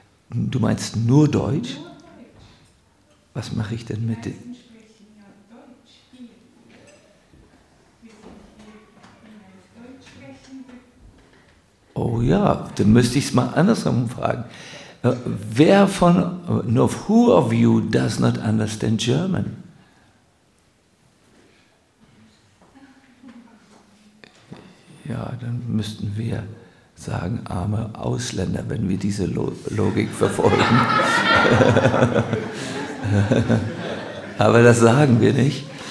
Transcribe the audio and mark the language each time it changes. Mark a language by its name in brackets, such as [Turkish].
[German] Du meinst nur Deutsch? Was mache ich denn mit dem? Oh ja, dann müsste ich es mal andersrum fragen. Wer von, [English] who of you does not understand German? [German] Ja, dann müssten wir sagen, arme Ausländer, wenn wir diese Logik verfolgen. Aber das sagen wir nicht.